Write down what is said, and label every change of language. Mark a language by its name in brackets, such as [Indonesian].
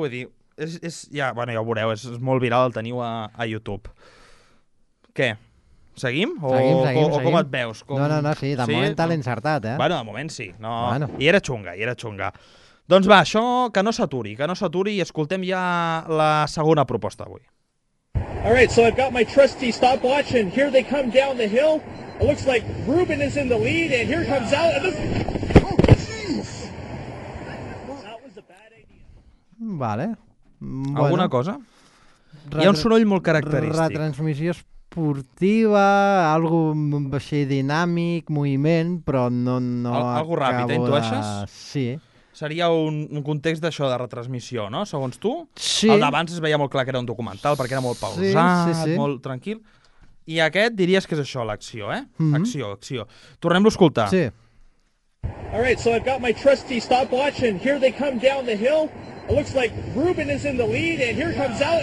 [Catalan] Vull dir, és ja, bueno, ja ho veureu, és molt viral, el teniu a YouTube. Què? Seguim? Seguim. Com et veus? Com... No, sí, de sí? moment t'ha l'encertat, eh? Bueno, de moment sí. No. Bueno. I era xunga. Doncs va, això que no s'aturi i escoltem ja la segona proposta avui. [English] All right, so I've got my trusty stopwatch and here they come down the hill. It looks like Ruben is in the lead, and here comes out. And this... [Catalan] Vale. Bueno. Alguna cosa? Hi ha un soroll molt característic. Retransmissió esportiva, algo així dinàmic, moviment, però no algo ràpid, t'intueixes? Sí. Seria un context d'això de retransmissió, no? Segons tu? Sí. El d'abans es veia molt clar que era un documental, perquè era molt pausat, sí. Molt tranquil. I aquest diries que és això, l'acció, eh? Mm-hmm. Acció. Tornem-lo a escoltar. Sí. [English] All right, so I've got my trusty stopwatch, and here they come down the hill. It looks like Ruben is in the lead, and here comes out.